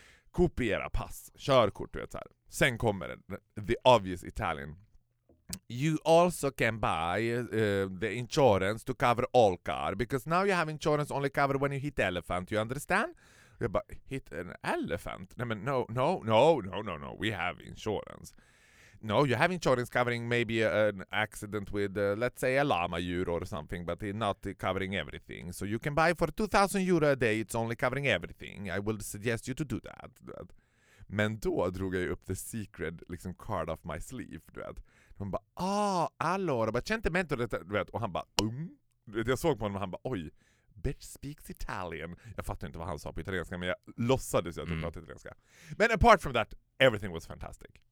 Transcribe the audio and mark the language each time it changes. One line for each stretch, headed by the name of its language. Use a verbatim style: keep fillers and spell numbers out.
Swedish: Kopiera pass, körkort, du vet så här. Sen kommer det,
English: the obvious Italian. You also can buy uh, the insurance to cover all car because now you have insurance only cover when you hit elephant, you understand?
Swedish: Jag bara,
English: hit an elephant?
Swedish: Nej, men
English: no, no, no, no, no, no, we have insurance. No, you have insurance covering maybe an accident with, uh, let's say, a llama euro or something, but it's not covering everything. So you can buy for two thousand euro a day, it's only covering everything. I would suggest you to do that.
Swedish: Du vet. Men då drog jag upp
English: the secret
Swedish: liksom,
English: card off my sleeve.
Swedish: Du vet. Hon bara, ah,
Italian: allora, ma c'è
Swedish: inte mentor. Och han bara, um. Jag såg på honom och han bara, oj.
English: Bitch speaks Italian.
Swedish: Jag fattar inte vad han sa på italienska, men jag låtsades att jag pratade italienska.
English: Men apart from that, everything was fantastic.